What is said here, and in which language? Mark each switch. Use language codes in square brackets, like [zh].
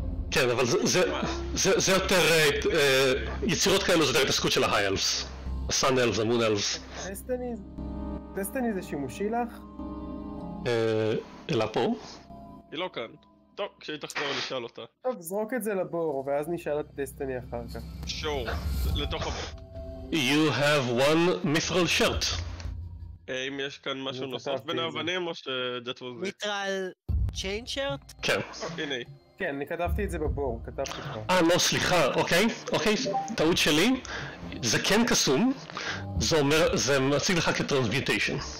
[he] כן, אבל זה יותר יצירות כאלו, זה יותר התעסקות של ההיילס. הסאן אלפס, המון אלפס. דסטיני זה שימושי לך? אלה פה? היא לא כאן. טוב, כשהיא תחזור אני אשאל אותה. טוב, זרוק את זה לבור, ואז נשאל את דסטיני אחר כך. שור, לתוך הבור. [en] You have one mithril shirt. [he] אם יש כאן משהו נוסף בין האבנים, או שדאט וזה? מיטרל צ'יין שירט? כן. הנה היא. כן, אני כתבתי את זה בבור, כתבתי פה. לא, סליחה, אוקיי, טעות שלי. זה כן קסום, זה אומר, זה מציג לך כטרנסמיוטיישן.